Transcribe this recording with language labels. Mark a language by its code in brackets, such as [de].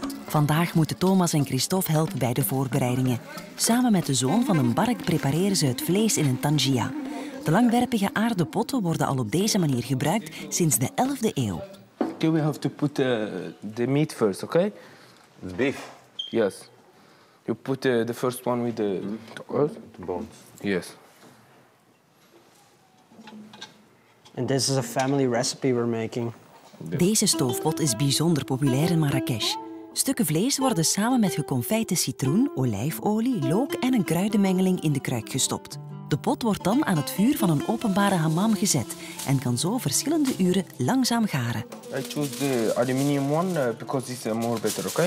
[nl] Vandaag moeten Thomas en Christophe helpen bij de voorbereidingen. Samen met de zoon van een bark prepareren ze het vlees in een tangia. De langwerpige aarden potten worden al op deze manier gebruikt sinds de 11e eeuw. [en] Okay, we have to put the meat first, okay? The beef. Yes. You put the first one with the earth. The bones. Yes. And this is a family recipe we're making. [nl] Deze stoofpot is bijzonder populair in Marrakesh. Stukken vlees worden samen met geconfijte citroen, olijfolie, look en een kruidenmengeling in de kruik gestopt. De pot wordt dan aan het vuur van een openbare hammam gezet en kan zo verschillende uren langzaam garen. [en] I choose the aluminium one because it's more better, okay?